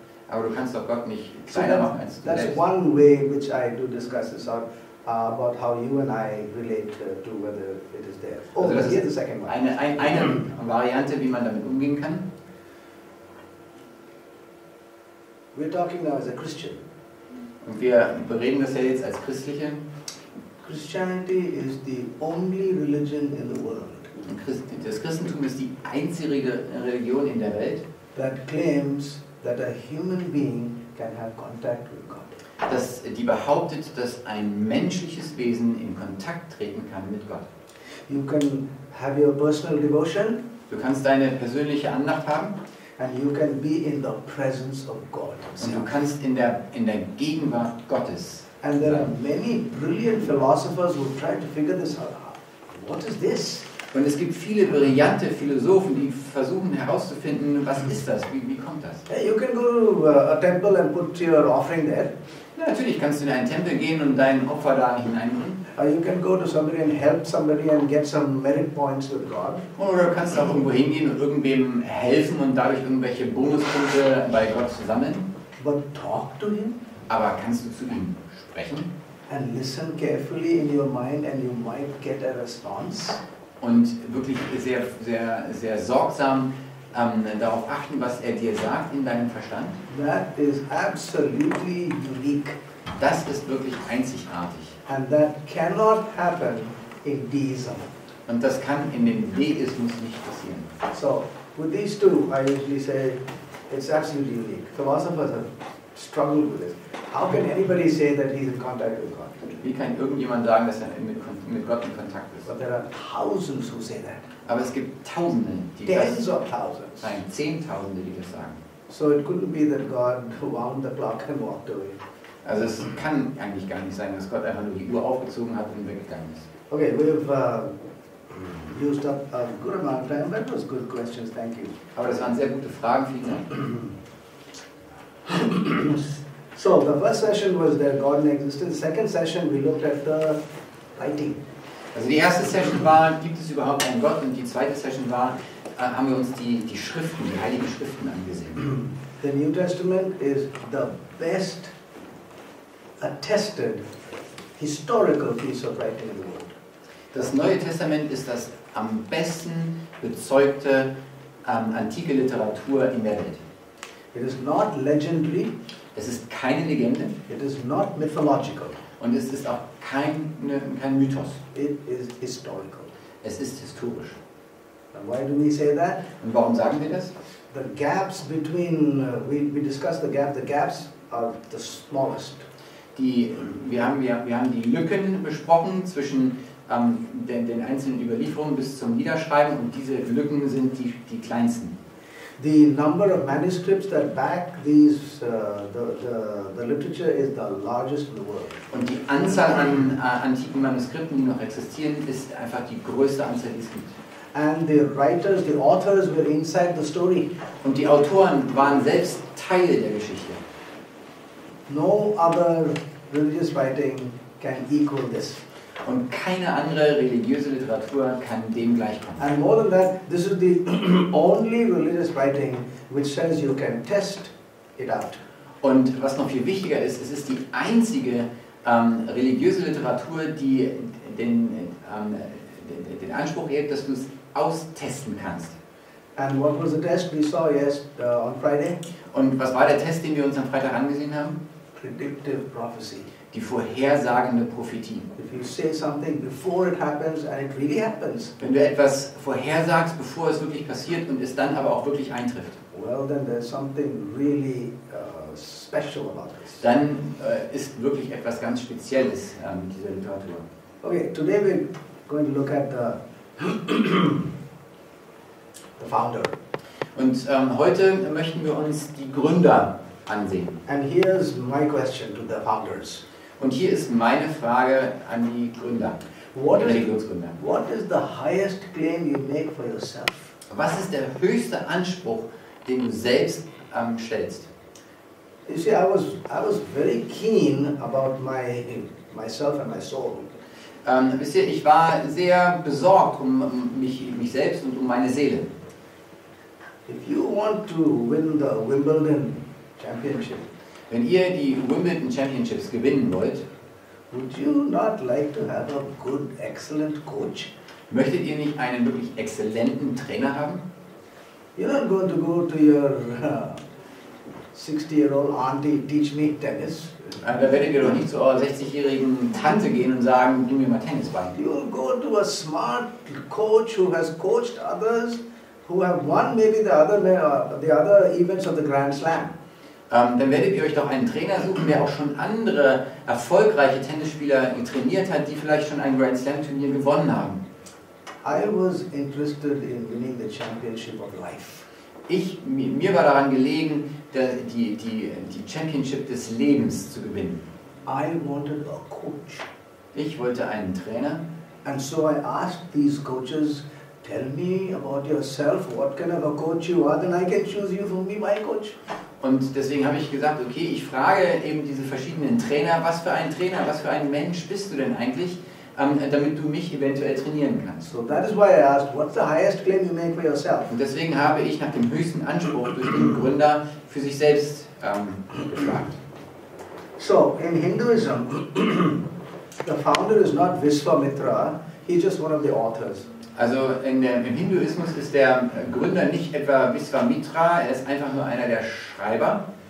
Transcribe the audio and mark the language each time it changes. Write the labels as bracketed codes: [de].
[de] Aber du kannst doch Gott nicht kleiner machen als du [en] that's [de] selbst. [en] That's one way which I do discuss this on. About how you and I relate to whether it is there. Oh, also here's the second one. [de] Eine Variante, wie man damit umgehen kann. [en] We're talking now as a Christian. [de] Und wir bereden das ja jetzt als Christliche. [en] Christianity is the only religion in the world. [de] Das Christentum ist die einzige Religion in der Welt. [en] That claims that a human being can have contact with God. [de] Dass die behauptet, dass ein menschliches Wesen in Kontakt treten kann mit Gott. [en] You can have your personal devotion. [de] Du kannst deine persönliche Andacht haben. [en] And you can be in the presence of God. [de] Und du kannst in der Gegenwart Gottes. [en] And there are many brilliant philosophers who try to figure this out. What is this? [de] Und es gibt viele brillante Philosophen, die versuchen herauszufinden, was ist das? Wie kommt das? [en] You can go to a temple and put your offering there. [de] Ja, natürlich kannst du in einen Tempel gehen und dein Opfer da hineinbringen. [en] You can go to somebody and help somebody and get some merit points with God. [de] Oder kannst du auch irgendwo hingehen und irgendwem helfen und dadurch irgendwelche Bonuspunkte bei Gott sammeln. [en] But talk to him. [de] Aber kannst du zu ihm sprechen? [en] And listen carefully in your mind and you might get a response. [de] Und wirklich sehr, sehr, sehr sorgsam darauf achten, was er dir sagt in deinem Verstand. [en] That is absolutely unique. [de] Das ist wirklich einzigartig. [en] And that cannot happen in Deism. [de] Und das kann in dem Deismus nicht passieren. [en] So, with these two, I usually say, it's absolutely unique. Philosophers have struggled with this. How can anybody say that he's in contact with God? [de] Wie kann irgendjemand sagen, dass er mit Gott in Kontakt ist? [en] But there are thousands who say that. [de] Aber es gibt Tausende, die [en] tens [de] das sagen. [en] Tens of thousands. [de] Nein, Zehntausende, die das sagen. [en] So it couldn't be that God wound the clock and walked away. [de] Also es kann eigentlich gar nicht sein, dass Gott einfach nur die Uhr aufgezogen hat und weggegangen ist. [en] Okay, we've used up a good amount of time. That was good questions, thank you. [de] Aber das waren sehr gute Fragen, vielen Dank. [en] So the first session was that God in existence. The second session we looked at the writing. [de] Also die erste Session war, gibt es überhaupt einen Gott? Und die zweite Session war, haben wir uns die Schriften, die heiligen Schriften angesehen. [en] The New Testament is the best attested historical piece of writing in the world. [de] Das Neue Testament ist das am besten bezeugte antike Literatur in der Welt. [en] It is not legendary. [de] Es ist keine Legende. [en] It is not mythological. [de] Und es ist auch kein Mythos. [en] It is historical. [de] Es ist historisch. [en] And why do we say that? [de] Und warum sagen wir das? [en] The gaps between we discussed the gap. The gaps are the smallest. [de] Wir haben die Lücken besprochen zwischen den einzelnen Überlieferungen bis zum Niederschreiben und diese Lücken sind die kleinsten. [en] The number of manuscripts that back these the literature is the largest in the world. [de] Und die Anzahl an antiken Manuskripten, die noch existieren, ist einfach die größte Anzahl, die es gibt. [en] And the writers, the authors were inside the story. [de] Und die Autoren waren selbst Teil der Geschichte. [en] No other religious writing can equal this. [de] Und keine andere religiöse Literatur kann dem gleichkommen. [en] And more than that, this is the only religious writing which says you can test it out. [de] Und was noch viel wichtiger ist, es ist die einzige religiöse Literatur, die den Anspruch hebt, dass du es austesten kannst. [en] And what was the test we saw on Friday? [de] Und was war der Test, den wir uns am Freitag angesehen haben? [en] Predictive prophecy. [de] Die vorhersagende Prophetie. [en] If you say something before it happens and it really happens. [de] Wenn du etwas vorhersagst, bevor es wirklich passiert und es dann aber auch wirklich eintrifft. [en] Well, then there's something really special about this. [de] Dann ist wirklich etwas ganz Spezielles mit dieser Literatur. [en] Okay, today we're going to look at the the founder. [de] Und heute möchten wir uns die Gründer ansehen. [en] And here's my question to the founders. [de] Und hier ist meine Frage an die Gründer, [en] what [de] die Religionsgründer. [en] What is the highest claim you make for yourself? [de] Was ist der höchste Anspruch, den du selbst stellst? [en] You see, I was very keen about myself and my soul. [de] Ich war sehr besorgt um mich selbst und um meine Seele. [en] If you want to win the Wimbledon championship, [de] wenn ihr die Wimbledon Championships gewinnen wollt, [en] would you not like to have a good, excellent coach? [de] Möchtet ihr nicht einen wirklich exzellenten Trainer haben? [en] You're not going to go to your 60-year-old auntie teach me tennis. [de] Da werdet ihr doch nicht zu eurer 60-jährigen Tante gehen und sagen, gib mir mal Tennis bei. [en] You'll go to a smart coach who has coached others, who have won maybe the other events of the Grand Slam. [de] Dann werdet ihr euch doch einen Trainer suchen, der auch schon andere erfolgreiche Tennisspieler trainiert hat, die vielleicht schon ein Grand Slam Turnier gewonnen haben. [en] I was interested in winning the championship of life. [de] Mir war daran gelegen, die Championship des Lebens zu gewinnen. [en] I wanted a coach. [de] Ich wollte einen Trainer. [en] And so I asked these coaches, tell me about yourself, what kind of a coach you are, then I can choose you for me, my coach. [de] Und deswegen habe ich gesagt, okay, ich frage eben diese verschiedenen Trainer, was für ein Trainer, was für ein Mensch bist du denn eigentlich, damit du mich eventuell trainieren kannst. [en] So that is why I asked, what's the highest claim you make for yourself? [de] Und deswegen habe ich nach dem höchsten Anspruch durch den Gründer für sich selbst gefragt. [en] So, in Hinduism, the founder is not Vishwamitra, he's just one of the authors. [de] Also im Hinduismus ist der Gründer nicht etwa Vishwamitra, er ist einfach nur einer der Schreiber.